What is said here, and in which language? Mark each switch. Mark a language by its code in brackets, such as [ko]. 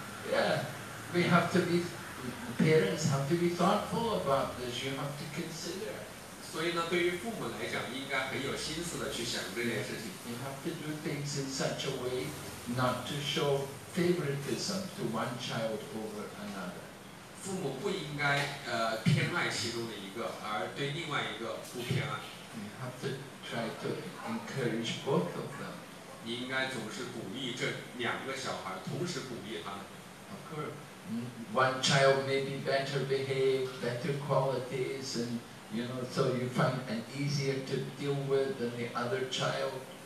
[en] Yeah, we have to be parents have to be thoughtful about this. You have to consider. [zh] 所以呢，对于父母来讲，应该很有心思的去想这件事情。 [en] You have to do things in such a way not to show favoritism to one child over another. [zh] 父母不应该偏爱其中的一个，而对另外一个不偏爱。 [en] You have to try to encourage both of them. [zh] 你应该总是鼓励这两个小孩，同时鼓励他们。 [en] Of course, one child may be better behaved, better qualities, and you know, so you find an easier to deal with than the other child.